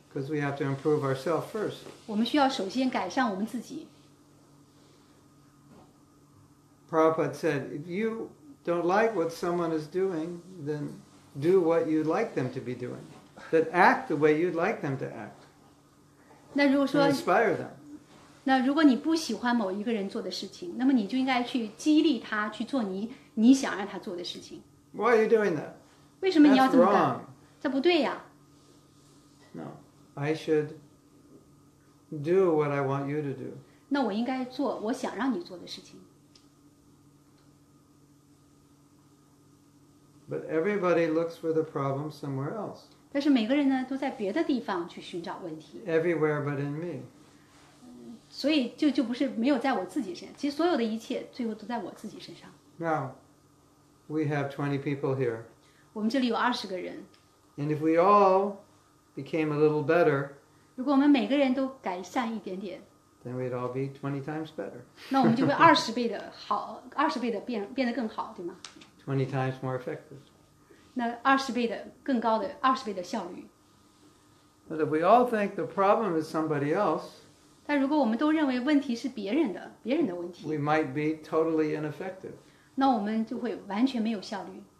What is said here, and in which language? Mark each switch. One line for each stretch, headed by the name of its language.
English: Because we have to improve ourselves first.
Chinese: 我们需要首先改善我们自己。
English: Prabhupada said, if you don't like what someone is doing, then do what you'd like them to be doing. Then act the way you'd like them to act.
Chinese: 那如果说
English: to inspire them.
Chinese: 那如果你不喜欢某一个人做的事情，那么你就应该去激励他去做你想让他做的事情。
English: Why are you doing that?
Chinese: 为什么你要这么干？
English: That's wrong.
Chinese: 这不对呀。
English: No, I should do what I want you to do.
Chinese: 那我应该做我想让你做的事情。
English: But everybody looks for the problem somewhere else.
Chinese: 但是每个人呢都在别的地方去寻找问题。
English: Everywhere but in me.
Chinese: 所以就不是没有在我自己身上，其实所有的一切最后都在我自己身上。
English: Now, we have 20 people here.
Chinese: 我们这里有二十个人。
English: And if we all became a little better,
Chinese: 如果我们每个人都改善一点点，
English: then we'd all be 20 times better.
Chinese: 那我们就会二十倍的好，二十倍的变得更好，对吗？
English: 20 times more effective.
Chinese: 那二十倍的更高的二十倍的效率。
English: But if we all think the problem is somebody else,
Chinese: 但如果我们都认为问题是别人的问题，
English: we might be totally ineffective.
Chinese: 那我们就会完全没有效率。